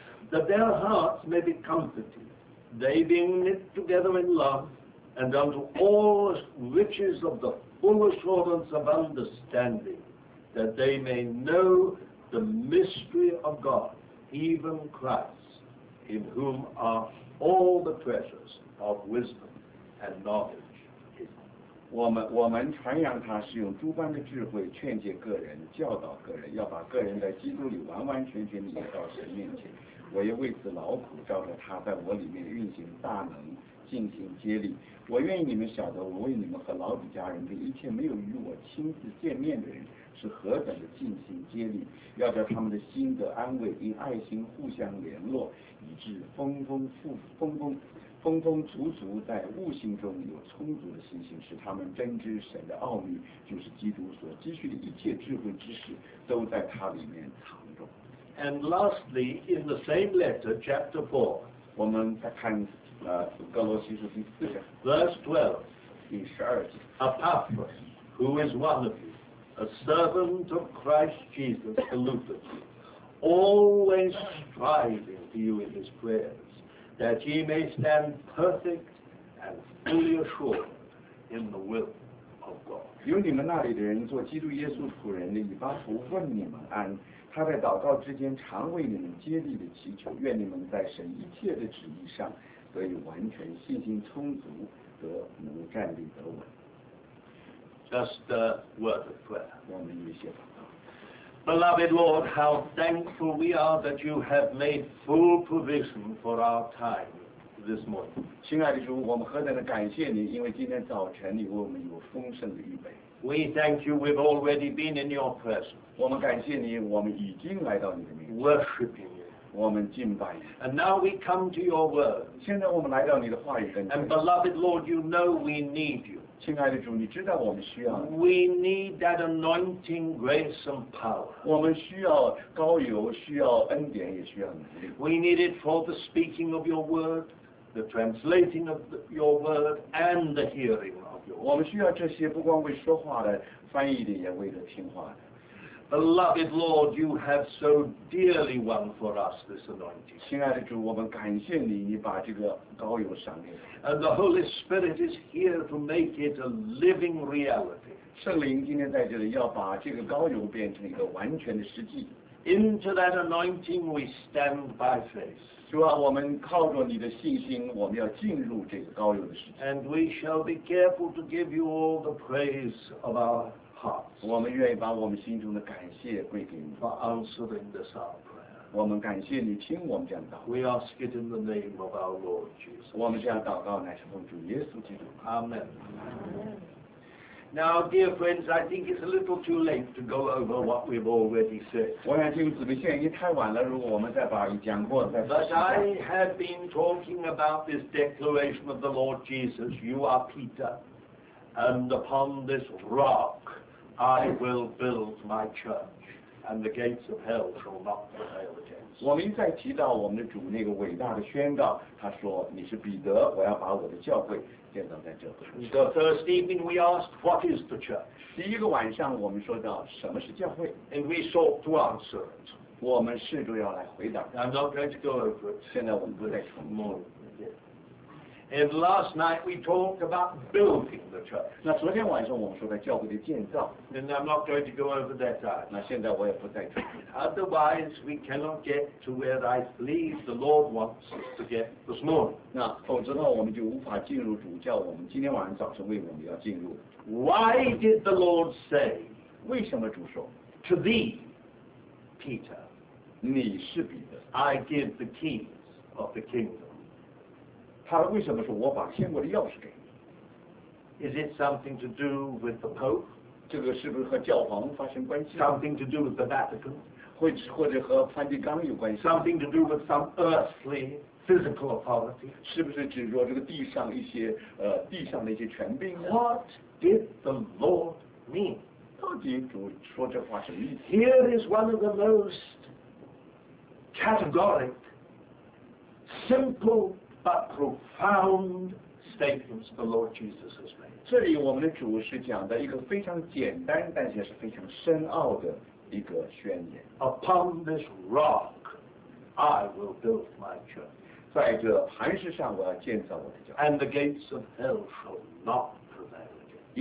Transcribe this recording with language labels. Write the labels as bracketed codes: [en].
[en] that their hearts may be comforted, they being knit together in love, and unto all riches of theFull assurance of understanding, that they may know the mystery of God, even Christ, in whom are all the treasures of wisdom and knowledge. [zh] 我们传扬他是用诸般的智慧劝诫个人，教导个人，要把个人在基督里完完全全领到神面前。我也为此劳苦，照着他在我里面运行大能。尽心竭力。我愿意你们晓得，我为你们和老底家人跟一切没有与我亲自见面的人是何等的尽心竭力，要叫他们的心得安慰，因爱心互相联络，以致丰丰足足在悟性中有充足的信心，使他们真知神的奥秘，就是基督所积蓄的一切智慧知识都在他里面藏着。 [en] And lastly, in the same letter, chapter 4, [zh] 我们再看格罗西书第四章 [en] verse 12, [zh] 第十二节 [en] Epaphras, who is one of you, a servant of Christ Jesus, saluted you, always striving for you in his prayers, that ye may stand perfect and fully assured in the will. [zh] 由你们那里的人做基督耶稣仆人的以巴弗问你们安，他在祷告之间常为你们竭力的祈求，愿你们在神一切的旨意上得以完全，信心充足，得能站立得稳。 [en] Just a word of prayer. [zh] 我们一起祷告。 [en] Beloved Lord, how thankful we are that you have made full provision for our time. This morning. [zh] 亲爱的主，我们何等的感谢你，因为今天早晨你为我们有丰盛的预备。 [en] We thank you. We've already been in your presence. [zh] 我们感谢你，我们已经来到你的面前。 [en] Worshiping you. [zh] 我们敬拜你。 [en] And now we come to your word. [zh] 现在我们来到你的话语跟前。 [en] And beloved Lord, you know we need you. [zh] 亲爱的主，你知道我们需要你。 [en] We need that anointing, grace, and power. [zh] 我们需要膏油，需要恩典，也需要能力。 [en] We need it for the speaking of your word. The translating of your word and the hearing of your word. [zh] 我们需要这些，不光为说话的，翻译的，也为了听话的。 [en] Beloved Lord, you have so dearly won for us this anointing. [zh] 亲爱的主，我们感谢你，你把这个膏油赏给我们。 [en] And the Holy Spirit is here to make it a living reality. [zh] 圣灵今天在这里，要把这个膏油变成一个完全的实际。 [en] Into that anointing we stand by faith. [zh] 主啊，我们靠着你的信心，我们要进入这个膏油的时期。 [en] And we shall be careful to give you all the praise of our hearts. [zh] 我们愿意把我们心中的感谢归给你。 [en] For answering this our prayer. [zh] 我们感谢你听我们这样祷告。 [en] We ask it in the name of our Lord Jesus. [zh] 我们这样祷告乃是奉主耶稣基督。 [en] Amen. Now, dear friends, I think it's a little too late to go over what we've already said. [zh] 我想弟兄姊妹，现在已经太晚了。如果我们再把讲过的再说。 [en] But I have been talking about this declaration of the Lord Jesus, "You are Peter, and upon this rock I will build my church, and the gates of hell shall not prevail against." [zh] 我们一再提到我们的主那个伟大的宣告，他说：“你是彼得，我要把我的教会。” [en] The first evening we asked, what is the church? [zh] 第一个晚上我们说到什么是教会。 [en] And we sought to answer it. [zh] 我们试着要来回答。 [en] I'm not going to go over it. [zh] 现在我们不再重复。 [en] And last night we talked about building the church. [zh] 那昨天晚上我们说到教会的建造。 [en] And I'm not going to go over that either. [zh] 那现在我也不再重复。 [en] Otherwise, we cannot get to where I believe the Lord wants us to get this morning. [zh] 那否则的话，我们就无法进入主教。我们今天晚上早晨为我们要进入。 [en] Why did the Lord say? [zh] 为什么主说 [en] ？To thee, Peter, [zh] 你是彼得。 [en] I give the keys of the kingdom. [zh] 他为什么说我把天国的钥匙给你 [en] ？Is it something to do with the Pope？ [zh] 这个是不是和教皇发生关系 [en] ？Something to do with the Vatican？ [zh] 或者和梵蒂冈有关系 [en] ？Something to do with some earthly physical authority？ [zh] 是不是指说这个地上一些地上的一些权柄 [en] ？What did the Lord mean？ [zh] 到底主说这话什么意思 [en] ？Here is one of the most categoric, simple. But profound statements the Lord Jesus has made. [zh] 这里我们的主是讲的一个非常简单，但也是非常深奥的一个宣言。 [en] Upon this rock, I will build my church. [zh] 在这磐石上，我要建造我的教会。 [en] And the gates of hell shall not prevail against it.